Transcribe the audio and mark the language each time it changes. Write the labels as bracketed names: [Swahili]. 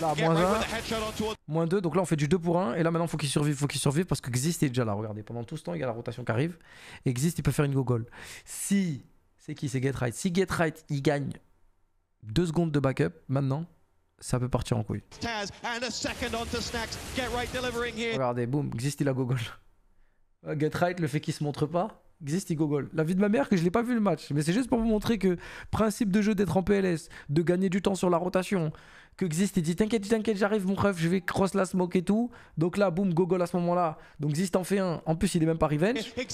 [French] là, moins 1, moins 2, donc là on fait du 2 pour 1 et là maintenant faut qu'il survive parce que Xist est déjà là, regardez, pendant tout ce temps il y a la rotation qui arrive et Xist il peut faire une gogol. Si, c'est qui, c'est Get Right. Si Get Right il gagne 2 secondes de backup maintenant, ça peut partir en couille. [English] Taz and a second onto Snacks. Get Right delivering here. [French] Regardez, boum, Xist il a gogol. Get Right, le fait qu'il se montre pas, Xist il gogol. La vie de ma mère que je l'ai pas vu le match, mais c'est juste pour vous montrer que principe de jeu d'être en PLS, de gagner du temps sur la rotation, que Xist il dit t'inquiète j'arrive mon ref, je vais cross la smoke et tout. Donc là boum, gogol à ce moment là. Donc Xist en fait un, en plus il est même pas revenge.